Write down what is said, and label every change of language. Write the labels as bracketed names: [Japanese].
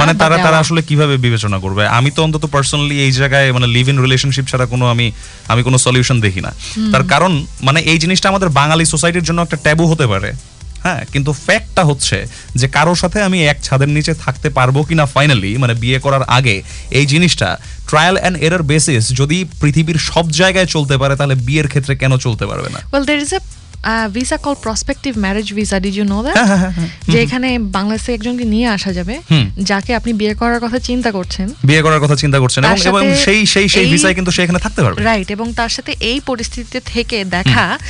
[Bangla] মানে তারা আসলে কিভাবে বিবেচনা করবে, আমি তো অন্তত পার্সোনালি এই জায়গায় মানে [English] live in relationship [Bangla] ছাড়া কোনো আমি কোনো সলিউশন দেখি না, তার কারণ মানে এই জিনিসটা আমাদের বাঙালি সোসাইটির জন্য একটা ট্যাবু হতে পারে, হ্যাঁ, কিন্তু ফ্যাক্টটা হচ্ছে যে কারোর সাথে আমি এক ছাদের নিচে থাকতে পারবো কিনা ফাইনালি মানে বিয়ে করার আগে, এই জিনিসটা [English] trial and error basis [Bangla] যদি পৃথিবীর সব জায়গায় চলতে পারে তাহলে বিয়ের ক্ষেত্রে কেন চলতে পারবে না? [English] Well, there is a visa called prospective marriage visa, did you know that? [Bangla] যে এখানে বাংলাদেশে একজনকে নিয়ে আসা যাবে যাকে আপনি বিয়ে করার কথা চিন্তা করছেন, বিয়ে করার কথা চিন্তা করছেন এবং সেই সেই সেই ভিসায় কিন্তু সে এখানে থাকতে পারবে, রাইট, এবং তার সাথে এই পরিস্থিতিতে থেকে দেখা,